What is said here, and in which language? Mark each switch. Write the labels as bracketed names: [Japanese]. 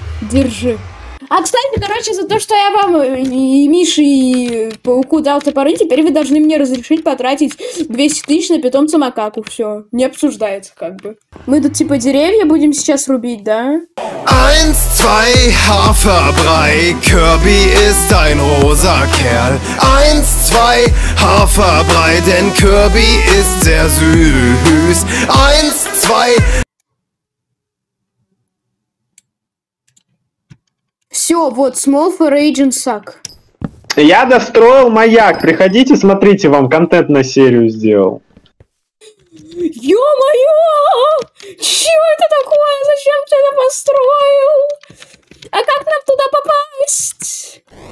[Russian] Держи. А, кстати, короче, за то, что я вам и Мише, и пауку дал топоры, теперь вы должны мне разрешить потратить 200 тысяч на питомца макаку. Все, не обсуждается как бы. Мы тут типа деревья будем сейчас рубить, да? [German] Eins, zwei, Haferbrei, Kirby ist ein rosa Kerl. Eins, zwei, Haferbrei, denn Kirby ist sehr süß. Eins, zwei... [Russian] Все, вот, Small for Agent Suck. Я достроил маяк, приходите, смотрите, вам контент на серию сделал. Ё-моё! Чё это такое? Зачем ты это построил? А как нам туда попасть?